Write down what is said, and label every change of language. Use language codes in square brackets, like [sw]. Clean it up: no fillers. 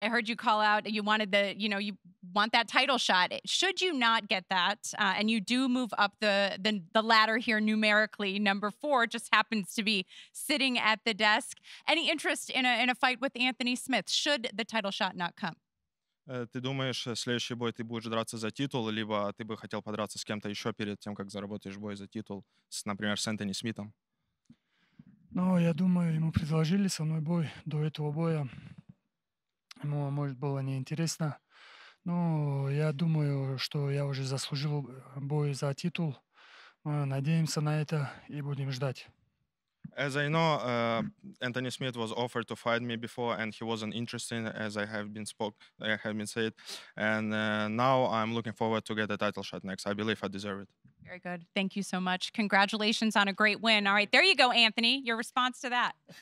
[en] I heard you call out, you wanted the, you know, you want that title shot. Should you not get that, and you do move up the ladder here numerically, number four just happens to be sitting at the desk. Any interest in a fight with Anthony Smith? Should the title shot not come? [ru] Ты думаешь, следующий бой ты будешь драться за титул, либо ты бы хотел подраться с кем-то еще перед тем, как заработаешь бой за титул, с, например, с Энтони Смитом? Ну, я думаю, ему предложили со мной бой до этого боя. Ему, может, было неинтересно. Но я думаю, что я уже заслужил бой за титул. Мы надеемся на это и будем ждать. [en] As I know, Anthony Smith was offered to fight me before, and he wasn't interested, as I have been said. And now I'm looking forward to get a title shot next. I believe I deserve it. Very good. Thank you so much. Congratulations on a great win. All right, there you go, Anthony. Your response to that.